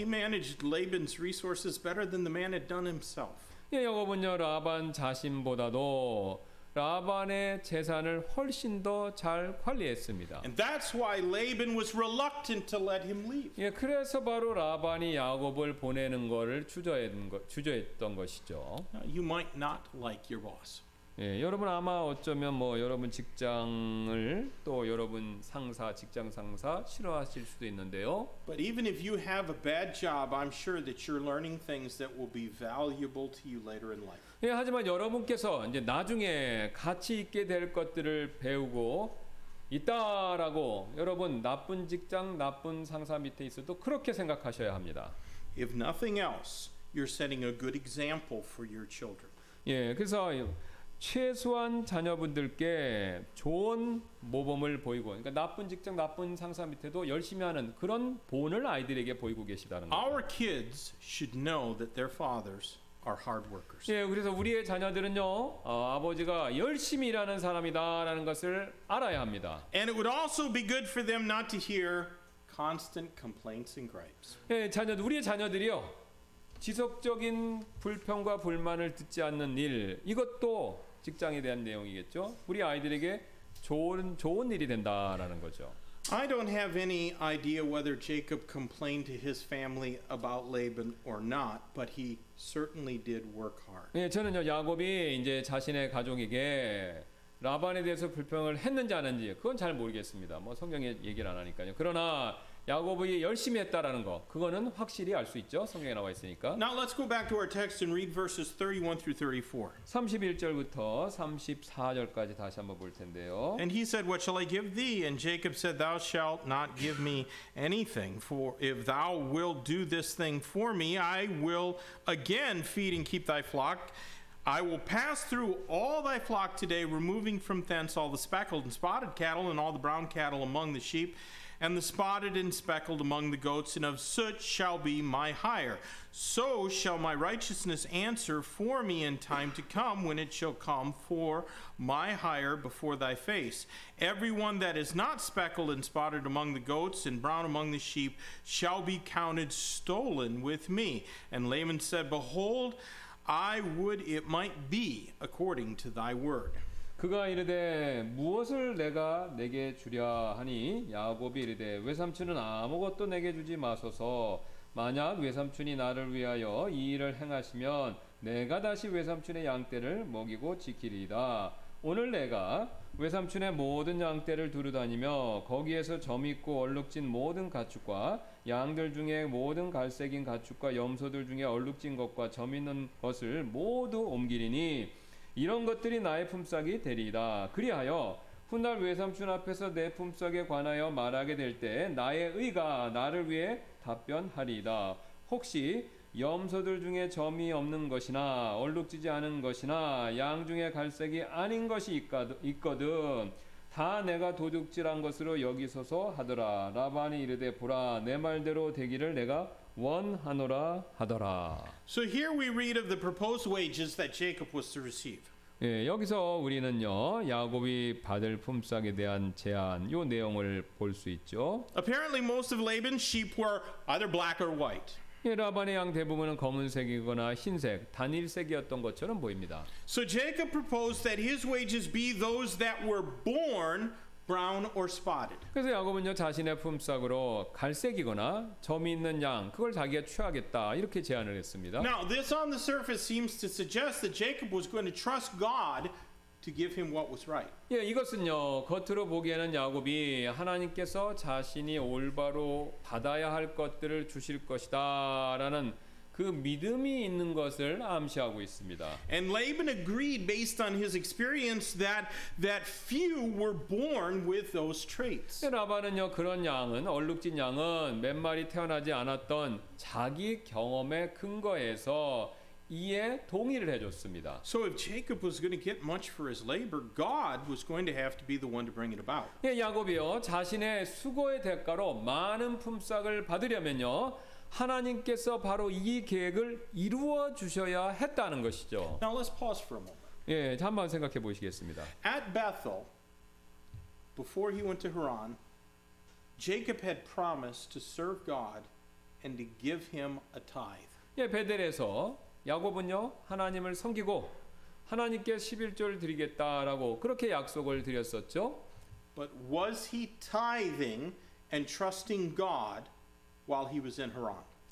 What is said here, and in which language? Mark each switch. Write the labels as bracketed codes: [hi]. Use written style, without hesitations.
[en] He managed Laban's resources better than the man had done himself. [ko] 예, 야곱은요, 라반 자신보다도 라반의 재산을 훨씬 더 잘 관리했습니다. [en] And that's why Laban was reluctant to let him leave. [ko] 예, 그래서 바로 라반이 야곱을 보내는 것을 주저했던 것이죠. [en] You might not like your boss. [ko] 예, 여러분 아마 어쩌면 뭐 여러분 직장을 또 여러분 상사 직장 상사 싫어하실 수도 있는데요. [en] But even if you have a bad job, I'm sure that you're learning things that will be valuable to you later in life. [ko] 예, 하지만 여러분께서 이제 나중에 가치 있게 될 것들을 배우고 있다라고 여러분 나쁜 직장 나쁜 상사 밑에 있어도 그렇게 생각하셔야 합니다. [en] If nothing else, you're setting a good example for your children. [ko] 예, 그래서 최소한 자녀분들께 좋은 모범을 보이고 그러니까 나쁜 직장 나쁜 상사 밑에도 열심히 하는 그런 본을 아이들에게 보이고 계시다는 거예요. [en] Our kids should know that their fathers are hard workers. [ko] 예, 그래서 우리의 자녀들은요. 아버지가 열심히 일하는 사람이다라는 것을 알아야 합니다. [en] And it would also be good for them not to hear constant complaints and gripes. [ko] 예, 자녀들 우리의 자녀들이요. 지속적인 불평과 불만을 듣지 않는 일 이것도 직장에 대한 내용이겠죠. 우리 아이들에게 좋은 일이 된다라는 거죠. [en] I don't have any idea whether Jacob complained to his family about Laban or not, but he certainly did work hard. [ko] 예, 저는요 야곱이 이제 자신의 가족에게 라반에 대해서 불평을 했는지 아닌지 그건 잘 모르겠습니다. 뭐 성경에 얘기를 안 하니까요. 그러나 야곱이 열심히 했다라는 거 그거는 확실히 알 수 있죠. 성경에 나와 있으니까. [en] Now let's go back to our text and read verses 31 through 34. [ko] 31절부터 34절까지 다시 한번 볼 텐데요. [en] And he said, "What shall I give thee?" And Jacob said, "Thou shalt not give me anything, for if thou will do this thing for me, I will again feed and keep thy flock. I will pass through all thy flock today, removing from thence all the speckled and spotted cattle and all the brown cattle among the sheep." And the spotted and speckled among the goats, and of such shall be my hire. So shall my righteousness answer for me in time to come, when it shall come for my hire before thy face. Everyone that is not speckled and spotted among the goats and brown among the sheep shall be counted stolen with me. And Laban said, Behold, I would it might be according to thy word. [ko] 그가 이르되 무엇을 내가 내게 주랴 하니 야곱이 이르되 외삼촌은 아무것도 내게 주지 마소서 만약 외삼촌이 나를 위하여 이 일을 행하시면 내가 다시 외삼촌의 양떼를 먹이고 지키리이다. 오늘 내가 외삼촌의 모든 양떼를 두루다니며 거기에서 점 있고 얼룩진 모든 가축과 양들 중에 모든 갈색인 가축과 염소들 중에 얼룩진 것과 점 있는 것을 모두 옮기리니 이런 것들이 나의 품삯이 되리이다. 그리하여 훗날 외삼촌 앞에서 내 품삯에 관하여 말하게 될 때 나의 의가 나를 위해 답변하리이다. 혹시 염소들 중에 점이 없는 것이나 얼룩지지 않은 것이나 양 중에 갈색이 아닌 것이 있거든 다 내가 도둑질한 것으로 여기 서서 하더라. 라반이 이르되 보라 내 말대로 되기를 내가 원하노라 하더라. [en] So here we read of the proposed wages that Jacob was to receive. [ko] 예, 여기서 우리는요 야곱이 받을 품삯에 대한 제안 요 내용을 볼 수 있죠. [en] Apparently most of Laban's sheep were either black or white. [ko] 예, 라반의 양 대부분은 검은색이거나 흰색, 단일색이었던 것처럼 보입니다. [en] So Jacob proposed that his wages be those that were born brown or spotted. [ko] 그래서 야곱은요 자신의 품삯으로 갈색이거나 점이 있는 양 그걸 자기가 취하겠다 이렇게 제안을 했습니다. [en] Now this on the surface seems to suggest that Jacob was going to trust God to give him what was right. [ko] 예, 이것은요 겉으로 보기에는 야곱이 하나님께서 자신이 올바로 받아야 할 것들을 주실 것이다라는 그 믿음이 있는 것을 암시하고 있습니다. [en] And Laban agreed based on his experience that few were born with those traits. [ko] 라반은요 그런 양은 얼룩진 양은 몇 마리 태어나지 않았던 자기 경험에 근거해서 이에 동의를 해줬습니다. [en] So if Jacob was going to get much for his labor, God was going to have to be the one to bring it about. [ko] 예, 야곱이요 자신의 수고의 대가로 많은 품삯을 받으려면요. 하나님께서 바로 이 계획을 이루어 주셔야 했다는 것이죠. [en] Now let's pause for a moment. [ko] 예, 잠깐 생각해 보시겠습니다. [en] At Bethel, before he went to Haran, Jacob had promised to serve God and to give him a tithe. [ko] 예, 베델에서 야곱은요, 하나님을 섬기고 하나님께 십일조를 드리겠다라고 그렇게 약속을 드렸었죠. [en] But was he tithing and trusting God while he was in Haran?